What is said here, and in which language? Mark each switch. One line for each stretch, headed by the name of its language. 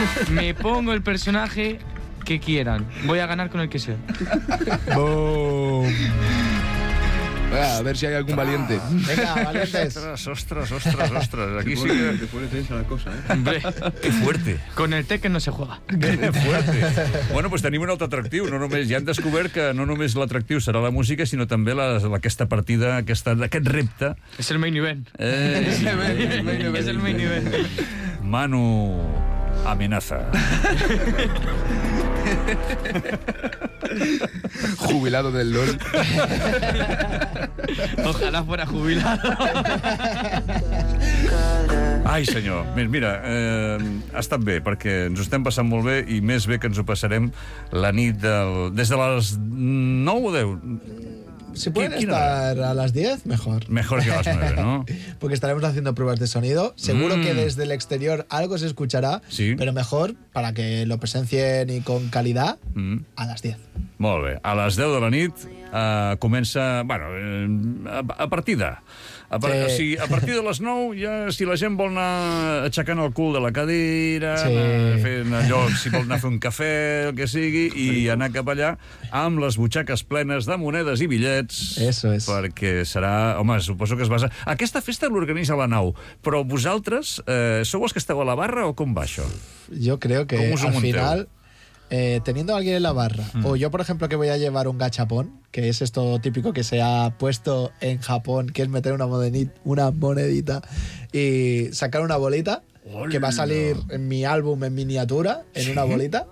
Spanish: Me pongo el personaje que quieran. Voy a ganar con el que sea. ¡Boom! A ver si hay algún valiente. Venga, valientes. Ostras. Aquí sí. Te pone tensa la cosa, ¿eh? Qué fuerte. Con el Tekken no se juega. Qué fuerte.
Catalan: Bueno, pues tenim un altre atractiu. No només, ja hem descobert que no només l'atractiu serà la música, sinó també aquesta partida, aquest repte. És el main event. És el main event.
Spanish: Manu amenaza. Jubilado del LOL. Ojalá fuera jubilado.
Catalan: Ai, senyor. Mira, ha estat bé, perquè ens ho estem passant molt bé, i més bé que ens ho passarem la nit del... Des de les 9 o 10...
Spanish: Si pueden estar a las 10, mejor. Mejor que a las 9, ¿no? Porque estaremos haciendo pruebas de sonido. Seguro que desde el exterior algo se escuchará, sí, pero mejor para que lo presencien y con calidad a las 10.
Catalan: Molt bé. A les 10 de la nit comença... Bueno, a partida. Sí. O sigui, a partir de les 9, ja, si la gent vol anar aixecant el cul de la cadira, fent allò, si vol anar a fer un cafè, el que sigui, i anar cap allà amb les butxaques plenes de monedes i bitllets.
Spanish: Eso es.
Catalan: Perquè serà... Home, suposo que es basa... Aquesta festa l'organitza la nau, però vosaltres sou els que esteu a la barra o com va això?
Spanish: Jo creo que al final... teniendo a alguien en la barra, o yo, por ejemplo, que voy a llevar un gachapón, que es esto típico que se ha puesto en Japón, que es meter una monedita y sacar una bolita. ¡Ole! Que va a salir en mi álbum en miniatura, en, ¿sí?, una bolita.